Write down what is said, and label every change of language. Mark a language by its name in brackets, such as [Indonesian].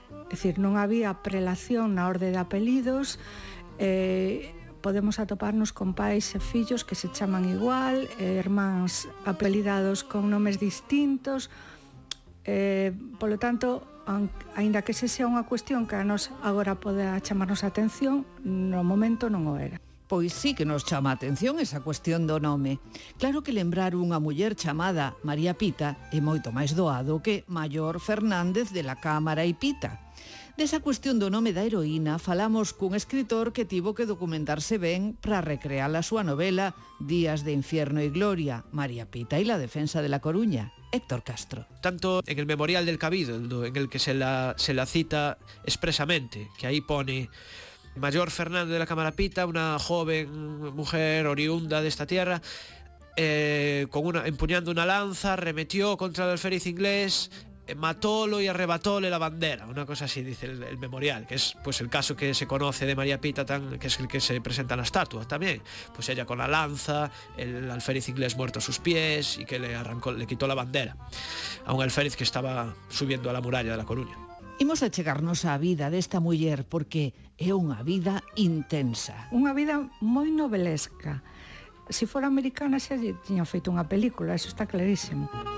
[Galician] É dicir, non había prelación na orde de apelidos, podemos atoparnos con pais e fillos que se chaman igual, irmáns apelidados con nomes distintos. Polo tanto, aínda que se sea unha cuestión que a nos agora poda chamarnos a atención, no momento non o era. Pois sí que nos chama a atención esa cuestión do nome. Claro que lembrar unha muller chamada María Pita é moito máis doado que Mayor Fernández de la Cámara y Pita. Desa cuestión do nome da heroína falamos cun escritor que tivo que documentarse ben para recrear a súa novela Días de Infierno y Gloria, María Pita y la Defensa de la Coruña. Héctor Castro. [Spanish] Tanto en el Memorial del Cabildo, en el que se la cita expresamente, que ahí pone Mayor Fernández de la Cámara Pita, una joven mujer oriunda de esta tierra, empuñando una lanza, remetió contra el alférez inglés, matólo y arrebatóle la bandera. Una cosa así dice el memorial, que es pues el caso que se conoce de María Pita, que es el que se presenta en la estatua también. Pues ella con la lanza, el alférez inglés muerto a sus pies y que le quitó la bandera a un alférez que estaba subiendo a la muralla de La Coruña. [Galician] Imos a chegarnos á vida desta muller porque é unha vida intensa. Unha vida moi novelesca. Se fora americana xa tiña feito unha película, eso está clarísimo.